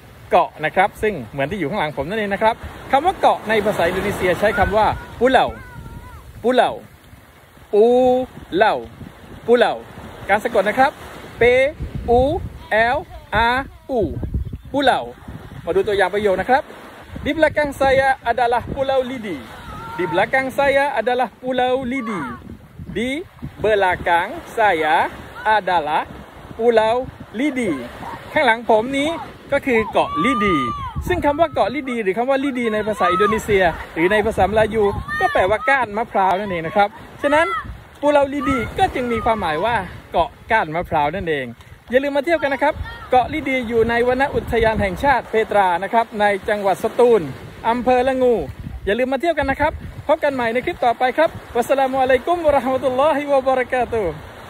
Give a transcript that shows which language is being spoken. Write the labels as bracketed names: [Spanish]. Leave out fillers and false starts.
[Thai] เกาะนะครับซึ่งเหมือนที่อยู่ข้างหลังผมนั่นเองนะครับคำว่าเกาะในภาษาอินโดนีเซียใช้คำว่าปูเหล่าปูเหล่าปูเหล่าปูเหล่าการสะกดนะครับ P U L A U ปูเหล่ามาดูตัวอย่างประโยคนะครับ [Indonesian] Di belakang saya adalah Pulau Lidi. Di belakang saya adalah Pulau Lidi. Di belakang saya adalah Pulau Lidi. [Thai] ข้างหลังผมนี้ก็คือเกาะลิดีซึ่งคำว่าเกาะลิดีหรือคำว่าลิดีในภาษาอินโดนีเซียหรือในภาษามลายูก็แปลว่าก้านมะพร้าวนั่นเองนะครับฉะนั้นปูเหล่าลิดีก็จึงมีความหมายว่าเกาะก้านมะพร้าวนั่นเองอย่าลืมมาเที่ยวกันนะครับเกาะลิดีอยู่ในวนอุทยานแห่งชาติเพตรานะครับในจังหวัดสตูลอำเภอละงูอย่าลืมมาเที่ยวกันนะครับพบกันใหม่ในคลิปต่อไปครับวัสสลามุอะลัยกุมวะเราะห์มะตุลลอฮิวะบะเราะกาตุฮ์